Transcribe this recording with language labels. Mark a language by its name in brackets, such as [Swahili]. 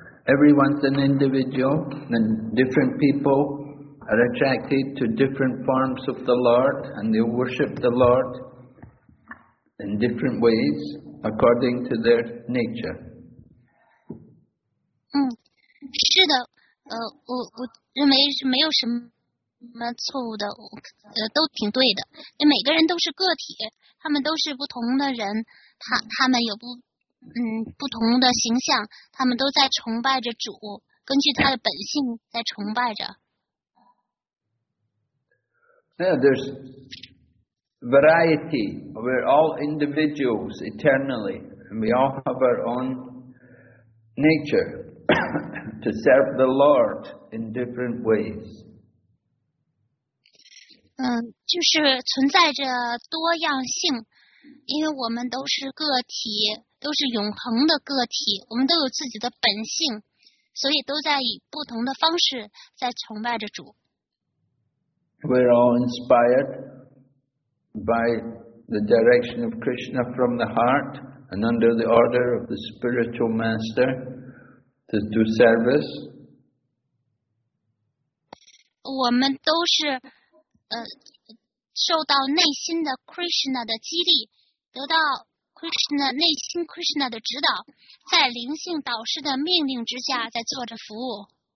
[English] Everyone's an individual, and different people are attracted to different forms of the Lord, and they worship the Lord in different ways according to their nature. [Chinese] 是的。我认为是没有什么错误的，都挺对的。每个人都是个体，他们都是不同的人，他们有不同的形象，他们都在崇拜着主，根据他的本性在崇拜着。 [English] Yeah, there's variety. We're all individuals eternally, and we all have our own nature. to serve the Lord in different ways. [Chinese] 就是存在着多样性，因为我们都是个体，都是永恒的个体，我们都有自己的本性，所以都在以不同的方式在崇拜着主。 [English] We're all inspired by the direction of Krishna from the heart and under the order of the spiritual master to do service. [Chinese] 我们都是受到内心的 Krishna 的激励，得到 Krishna 内心 Krishna 的指导，在灵性导师的命令之下在做着服务。